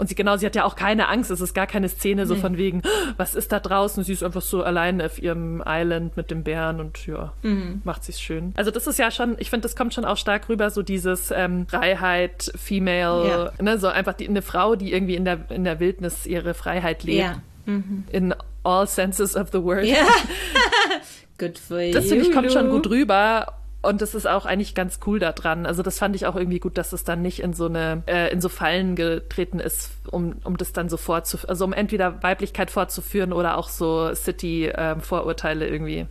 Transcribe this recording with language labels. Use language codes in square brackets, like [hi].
[de] Und sie hat ja auch keine Angst, es ist gar keine Szene so von wegen, was ist da draußen? Sie ist einfach so allein auf ihrem Island mit dem Bären und ja, macht sich's schön. Also das ist ja schon, ich finde, das kommt schon auch stark rüber, so dieses Freiheit, Female, ne, so einfach eine Frau, die irgendwie in der Wildnis ihre Freiheit lebt. [en] In all senses of the word. Yeah. Good for you. [de] Das finde ich, kommt schon gut rüber. Und das ist auch eigentlich ganz cool da dran. Also das fand ich auch irgendwie gut, dass es dann nicht in so eine in so Fallen getreten ist, um das dann so vorzuführen, also um entweder Weiblichkeit vorzuführen oder auch so City-Vorurteile irgendwie.